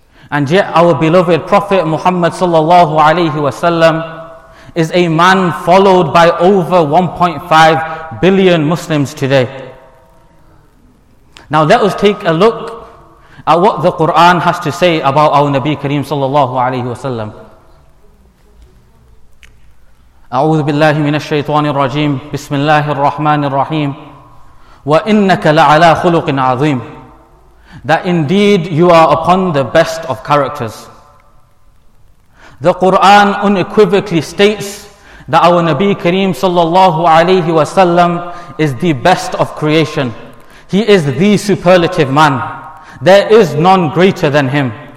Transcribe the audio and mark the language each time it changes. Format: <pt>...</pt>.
<en>And yet, our beloved Prophet Muhammad sallallahu alaihi wasallam is a man followed by over 1.5 billion Muslims today. Now let us take a look at what the Quran has to say about our Nabi Kareem sallallahu alaihi wasallam.</en> <ar>أعوذ بالله من الشيطان الرجيم بسم الله الرحمن الرحيم وإنك لعلى خلق عظيم.</ar> <en>That indeed you are upon the best of characters. The Quran unequivocally states that our Nabi Kareem sallallahu alayhi wa sallam is the best of creation. He is the superlative man. There is none greater than him.</en>